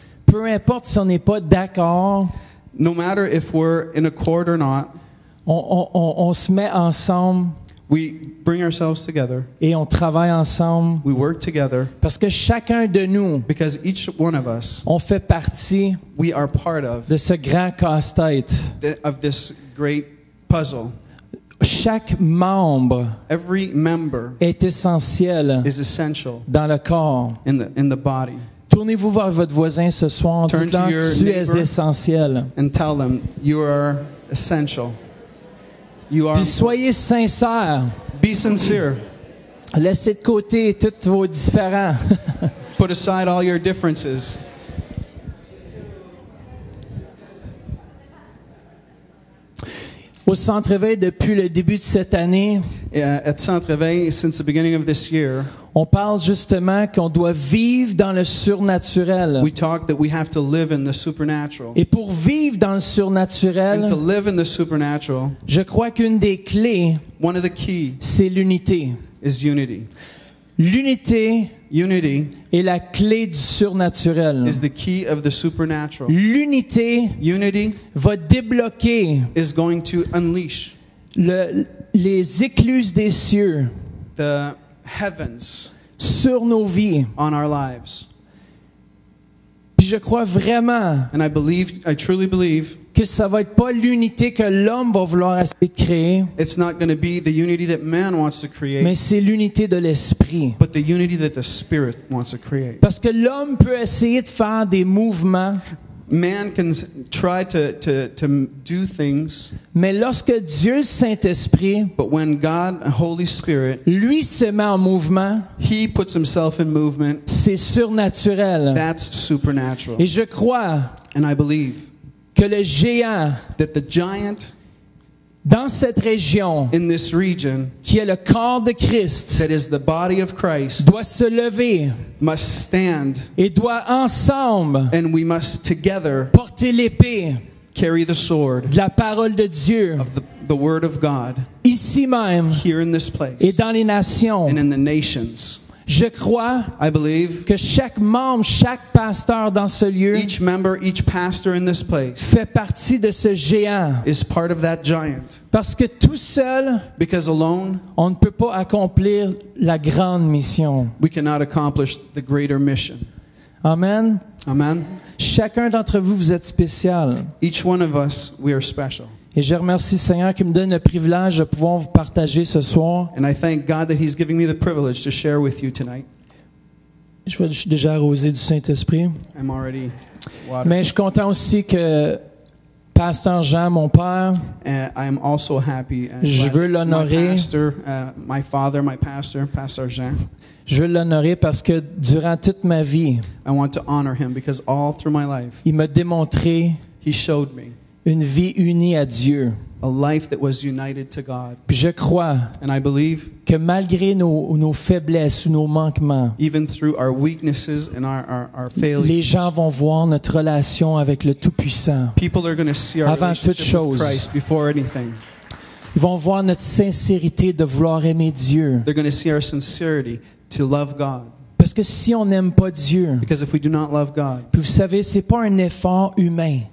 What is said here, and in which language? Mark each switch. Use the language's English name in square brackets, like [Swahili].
[French] Peu importe si on n'est pas d'accord. [English] No matter if we're in accord or not. [French] On se met ensemble. [English] We bring ourselves together. [French] Et on travaille ensemble. [English] We work together. [French] Parce que chacun de nous. [English] Because each one of us. [French] On fait partie. [English] We are part of. [French] De ce grand casse-tête. [English] Of this great puzzle. [French] Chaque membre. [English] Every member. [French] Est essentiel. [English] Is essential. [French] Dans le corps. [English] In the body. [French] Tournez-vous vers votre voisin ce soir en disant tu es essentiel. [English] And tell them you are essential. [French] Puis soyez sincères. [English] Be sincere. [French] Laissez de côté tous vos différends. [English] Put aside all your differences. [French] Au Centre Éveil, depuis le début de cette année, [English] yeah, at Centre Éveil, since the beginning of this year, [French] on parle justement qu'on doit vivre dans le surnaturel. [English] We talk that we have to live in the supernatural. [French] Et pour vivre dans le surnaturel, [English] and to live in the supernatural, [French] je crois qu'une des clés, [English] one of the key, [French] c'est l'unité. [English] Is unity. [French] L'unité [English] unity [French] est la clé du surnaturel. [English] Is the key of the supernatural. [French] L'unité [English] unity [French] va débloquer [English] is going to unleash [French] les écluses des cieux. [English] The heavens [French] sur nos vies. [English] On our lives. [French] Puis je crois vraiment [English] and I truly believe [French] que ça va être pas l'unité que l'homme va vouloir essayer de créer. [English] It's not going to be the unity that man wants to create. [French] Mais c'est l'unité de l'esprit. [English] But the unity that the spirit wants to create. [French] Parce que l'homme peut essayer de faire des mouvements. [English] Man can try to do things. [French] Mais lorsque Dieu Saint-Esprit, [English] but when God, Holy Spirit, [French] lui se met en mouvement, [English] he puts himself in movement. [French] C'est surnaturel. [English] That's supernatural. [French] Et je crois. [English] And I believe. [French] Que le géant, [English] that the giant, [French] dans cette région, [English] in this region, [French] qui est le corps de Christ, [English] that is the body of Christ, [French] doit se lever, [English] must stand, [French] et doit ensemble, [English] and we must together, [French] porter l'épée, [English] carry the sword, [French] de la parole de Dieu, [English] of the word of God, [French] ici même, [English] here in this place, [French] et dans les nations, [English] and in the nations. [French] Je crois [English] I believe [French] que chaque membre, chaque pasteur dans ce lieu [English] each member, each pastor in this place [French] fait partie de ce géant. [English] Is part of that giant. [French] Parce que tout seul, [English] because alone, [French] on ne peut pas accomplir la grande mission. [English] We cannot accomplish the greater mission. [French] Amen. [English] Amen. [French] Chacun d'entre vous, vous êtes spécial. [English] Each one of us, we are special. [French] Et je remercie le Seigneur qui me donne le privilège de pouvoir vous partager ce soir. [English] And I thank God that he's giving me the privilege to share with you tonight. [French] Je suis déjà arrosé du Saint-Esprit. [English] I'm already watered. [French] Mais je suis content aussi que Pasteur Jean, mon père, [English] and I'm also happy [French] and je veux l'honorer. [English] My pastor, my father, my pastor, Pasteur Jean. [French] Je veux l'honorer parce que durant toute ma vie, [English] I want to honor him because all through my life, [French] il m'a démontré [English] he showed me [French] une vie unie à Dieu. [English] A life that was united to God. [French] Puis je crois [English] and I believe [French] que malgré nos faiblesses ou nos manquements, [English] even through our weaknesses and our failures, [French] les gens vont voir notre relation avec le Tout-Puissant [English] people are going to see our [French] avant toute chose. [English] With Christ before anything. [French] Ils vont voir notre sincérité de vouloir aimer Dieu. [English] They're going to see our sincerity to love God. [French] Parce que si on n'aime pas Dieu, [English] because if we do not love God, [French] puis vous savez, c'est pas un effort humain.